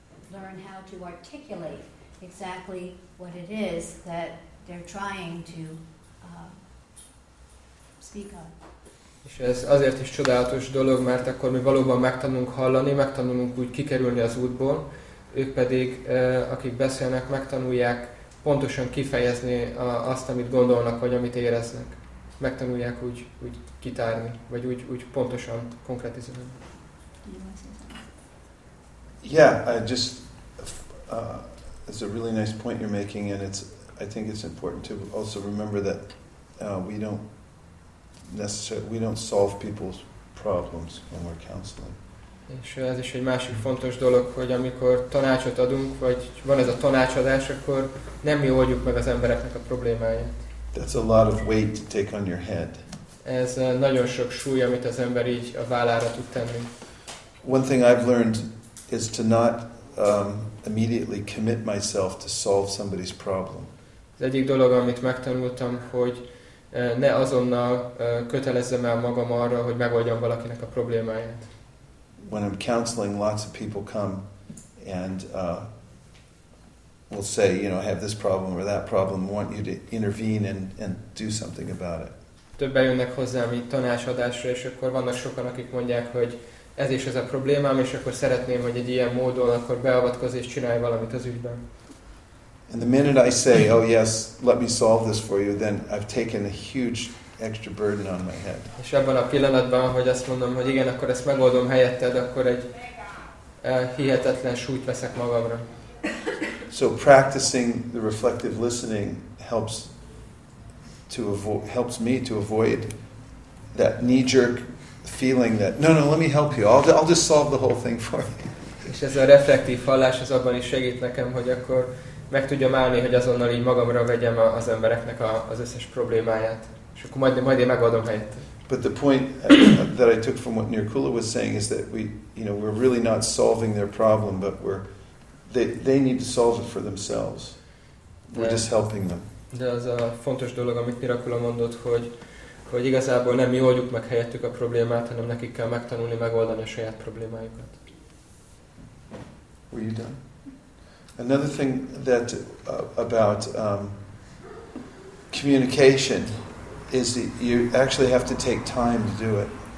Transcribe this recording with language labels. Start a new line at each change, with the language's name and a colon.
English: learn how to articulate exactly what it is that they're trying to speak of.
Hungarian: És ez azért is csodálatos dolog, mert akkor mi valóban megtanulunk hallani, megtanulunk úgy kikerülni az útból. Ők pedig, akik beszélnek, megtanulják pontosan kifejezni azt, amit gondolnak, vagy amit éreznek. Megtanulják úgy kitárni, vagy úgy pontosan konkrétizálni.
English: Yeah, I just, it's a really nice point you're making, and I think it's important to also remember that we don't solve people's problems when we're counseling.
Hungarian: És ez is egy másik fontos dolog, hogy amikor tanácsot adunk, vagy van ez a tanácsadás, akkor nem mi oldjuk meg az embereknek a problémáját.
English: That's a lot of weight to take on your head.
Hungarian: Ez nagyon sok súly, amit az ember így a vállára tud tenni.
English: One thing I've learned is to not immediately commit myself to solve somebody's problem.
Hungarian: Az egyik dolog, amit megtanultam, hogy ne azonnal kötelezzem el magam arra, hogy megoldjam valakinek a problémáját.
English: When I'm counseling, lots of people come and will say, you know, I have this problem or that problem, want you to intervene and do something about it.
Hungarian: Többen jönnek hozzám így tanácsadásra, és akkor vannak sokan, akik mondják, hogy ez is ez a problémám, és akkor szeretném, hogy egy ilyen módon akkor beavatkozz és csinálj valamit az ügyben.
English: And the minute I say, oh yes, let me solve this for you, then I've taken a huge extra burden on my head.
Hungarian: És ebben a pillanatban, hogy azt mondom, hogy igen, akkor ezt megoldom helyetted, akkor egy hihetetlen súlyt veszek magamra.
English: So practicing the reflective listening helps me to avoid that knee-jerk feeling that no, let me help you. I'll just solve the whole thing for you.
Hungarian: És ez a reflektív hallás az abban is segít nekem, hogy akkor meg tudjam állni, hogy azonnal így magamra vegyem az embereknek az összes problémáját. És akkor majd én megoldom helyette.
English: But the point that I took from what Nirkula was saying is that we're really not solving their problem, but they need to solve it for themselves. We're just helping them.
Hungarian: De az a fontos dolog, amit Mirakula mondott, hogy igazából nem mi oldjuk meg helyettük a problémát, hanem nekik kell megtanulni megoldani a saját problémájukat.
English: Were you done? Another thing that about communication is that you actually have to take time to do it.